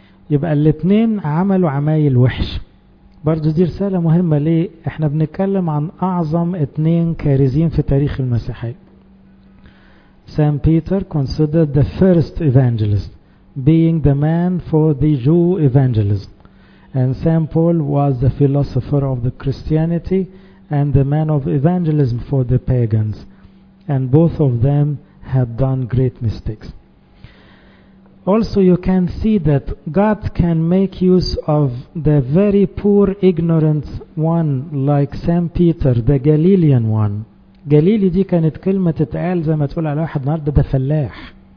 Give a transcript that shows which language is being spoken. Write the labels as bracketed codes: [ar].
[ar] يبقى الاثنين عملوا عمايل وحش. برضو دي رسالة مهمة. ليه؟ احنا بنتكلم عن اعظم اثنين كارزين في تاريخ المسيحية. [en] Saint Peter considered the first evangelist being the man for the Jew evangelism. And Saint Paul was the philosopher of the Christianity and the man of evangelism for the pagans. And both of them had done great mistakes. Also, you can see that God can make use of the very poor, ignorant one like Saint Peter, the Galilean one. Galilee [ar] دي كانت كلمة تتقال زي ما تقول على واحد النهاردة ده فلاح.